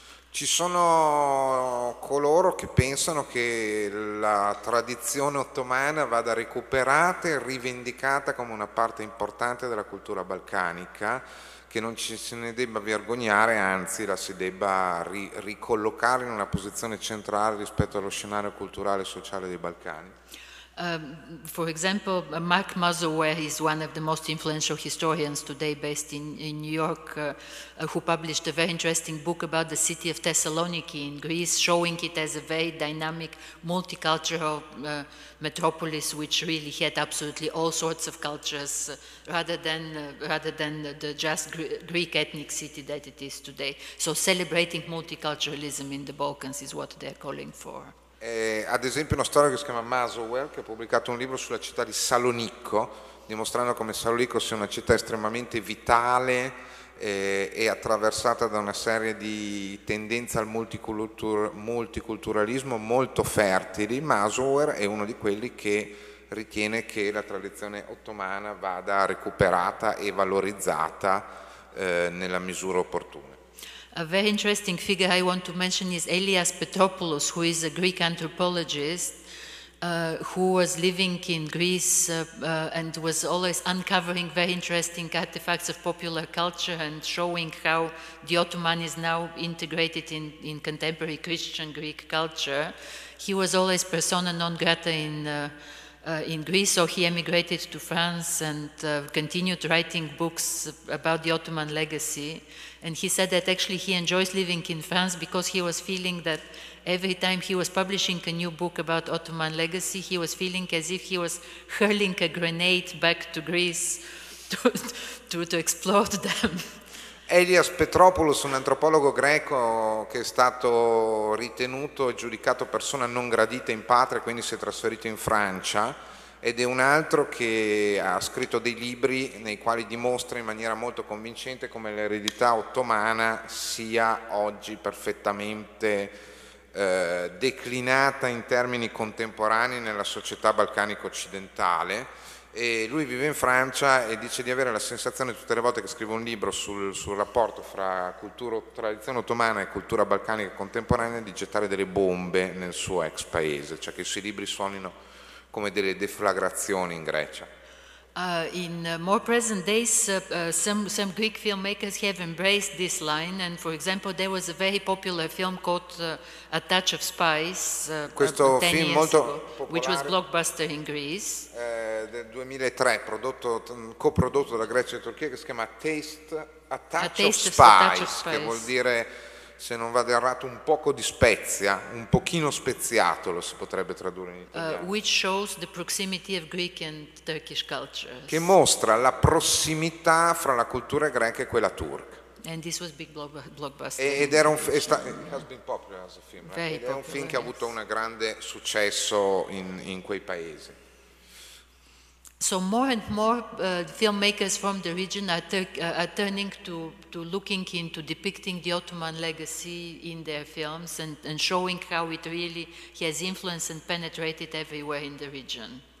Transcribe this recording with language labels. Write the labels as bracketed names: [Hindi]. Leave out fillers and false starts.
[Italian] Ci sono coloro che pensano che la tradizione ottomana vada recuperata e rivendicata come una parte importante della cultura balcanica, che non ci se ne debba vergognare, anzi la si debba ricollocare in una posizione centrale rispetto allo scenario culturale e sociale dei Balcani. [English] For example, Mark Musselwhite is one of the most influential historians today based in New York, who published a very interesting book about the city of Thessaloniki in Greece, showing it as a very dynamic, multicultural metropolis which really had absolutely all sorts of cultures rather than the just Greek ethnic city that it is today. So celebrating multiculturalism in the Balkans is what they're calling for. [Italian] Ad esempio uno storico che si chiama Musselwhite, che ha pubblicato un libro sulla città di Salonicco, dimostrando come Salonicco sia una città estremamente vitale e attraversata da una serie di tendenze al multiculturalismo molto fertili. Musselwhite è uno di quelli che ritiene che la tradizione ottomana vada recuperata e valorizzata nella misura opportuna. [English] A very interesting figure I want to mention is Elias Petropoulos, who is a Greek anthropologist who was living in Greece and was always uncovering very interesting artifacts of popular culture and showing how the Ottoman is now integrated in contemporary Christian Greek culture. He was always persona non grata in Greece, so he emigrated to France and continued writing books about the Ottoman legacy. And he said that actually he enjoys living in France because he was feeling that every time he was publishing a new book about Ottoman legacy, he was feeling as if he was hurling a grenade back to Greece to explode them. [Italian] Elias Petropoulos, un antropologo greco che è stato ritenuto e giudicato persona non gradita in patria, quindi si è trasferito in Francia, ed è un altro che ha scritto dei libri nei quali dimostra in maniera molto convincente come l'eredità ottomana sia oggi perfettamente declinata in termini contemporanei nella società balcanica occidentale. E lui vive in Francia e dice di avere la sensazione tutte le volte che scrive un libro sul rapporto fra cultura, tradizione ottomana e cultura balcanica contemporanea di gettare delle bombe nel suo ex paese, cioè che i suoi libri suonino come delle deflagrazioni in Grecia. [English] In more present days, some Greek filmmakers have embraced this line, and for example, there was a very popular film called A Touch of Spice, which was blockbuster in Greece. [Italian] Del 2003, coprodotto da Grecia e Turchia, che si chiama A Touch of Spice, che vuol dire, se non vado errato, un poco di spezia, un pochino speziato, lo si potrebbe tradurre in italiano. [English] Which shows the proximity of Greek and Turkish cultures. [Italian] Che mostra la prossimità fra la cultura greca e quella turca. [English] And this was big blockbuster. [Italian] Ed era un film che ha avuto un grande successo in quei paesi. [English] So more and more filmmakers from the region are turning to looking into depicting the Ottoman legacy in their films and showing how it really has influenced and penetrated everywhere in the region.